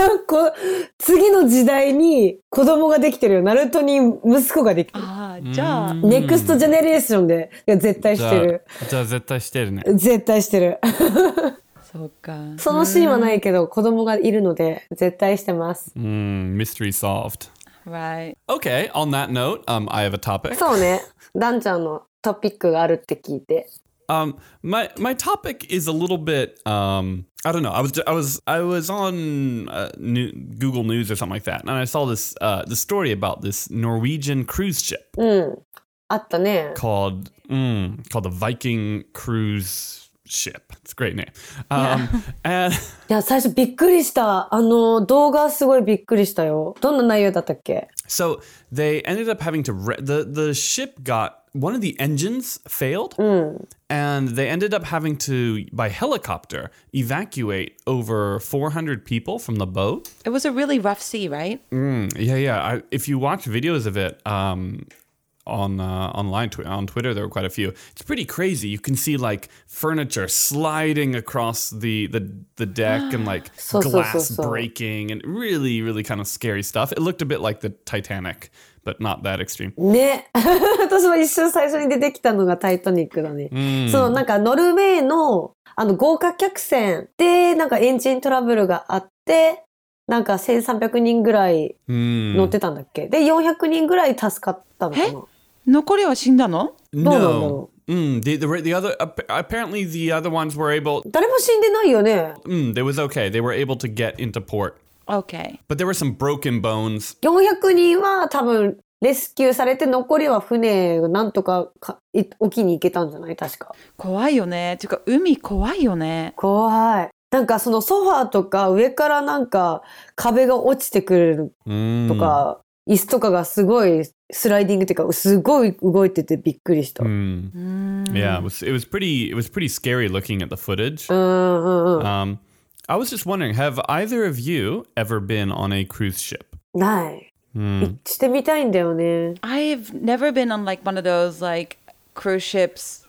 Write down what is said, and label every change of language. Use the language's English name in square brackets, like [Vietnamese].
[Japanese] こ次の時代に子供ができてるよ。ナルトに息子ができてる。あ、じゃあ、ネクストジェネレーションで絶対してる。じゃあ絶対してるね。絶対してる。そうか。そのシーンはないけど、子供がいるので絶対してます。 [English] Mystery solved. Right. Okay, on that note, I have a topic. [Japanese] そうね。ダンちゃんのトピックがあるって聞いて。 [English] My topic is a little bit, I don't know, I was on Google News or something like that, and I saw this, the story about this Norwegian cruise ship. [Japanese] うん。あったね。 [English] Called the Viking Cruise... Ship. It's a great name. [Japanese] いや、最初びっくりした。あの、動画すごいびっくりしたよ。どんな内容だったっけ? [English] So they ended up having to the ship got one of the engines failed, and they ended up having to by helicopter evacuate over 400 people from the boat. It was a really rough sea, right? Yeah. If you watch videos of it, On Twitter, there were quite a few. It's pretty crazy. You can see like furniture sliding across the deck and like glass breaking and really, really kind of scary stuff. It looked a bit like the Titanic, but not that extreme. [Japanese] ね、私も一瞬最初に出てきたのがタイタニックだね。そう、なんかノルウェーのあの豪華客船でなんかエンジントラブルがあって。なんか1300人ぐらい乗ってたんだっけ、で400人ぐらい助かったのかな。残りは死んだの？どうなんだろう。 [English] Apparently the other ones were able. [Japanese] 誰も死んでないよね。 [English] They was okay. They were able to get into port. Okay. But there were some broken bones. [Japanese] 400人は多分レスキューされて、残りは船がなんとか沖に行けたんじゃない？確か。怖いよね。ていうか海怖いよね。怖い。なんかそのソファーとか上からなんか壁が落ちてくるとか、椅子とかがすごいスライディングっていうかすごい動いててびっくりした。 [English] It was pretty scary looking at the footage. I was just wondering, have either of you ever been on a cruise ship? [Japanese] ない。してみたいんだよね。 [English] I've never been on like one of those like cruise ships.